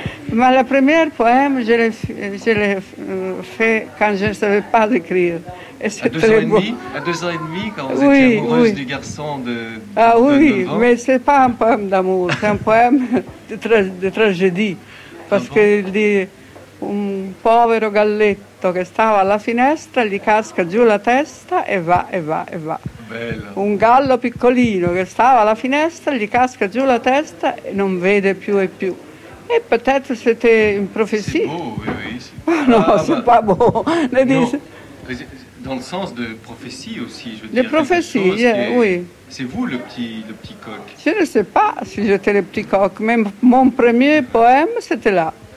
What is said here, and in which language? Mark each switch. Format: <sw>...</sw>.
<fr>Mais la première poème, je l'ai fait quand je ne savais pas écrire. Et c'est à, deux très à deux ans et demi, quand vous oui, étiez amoureuse oui. du garçon de Ah oui, de mais ce n'est pas un poème d'amour, c'est un poème de tragédie. Parce ah bon?</fr> <it>Qu'il dit, un povero galletto che stava alla finestra, gli casca giù la testa e va, e va, e va. Bella. Un gallo piccolino che stava alla finestra, gli casca giù la testa e non vede più e più.</it> <fr>Et peut-être c'était une prophétie. C'est beau, oui, oui. C'est... Non, ah, c'est bah... pas beau. Non. Dis... Dans le sens de prophétie aussi, je veux dire. De prophétie, yeah, est... oui. C'est vous le petit coq. Je ne sais pas si j'étais le petit coq, mais mon premier poème, c'était là.</fr>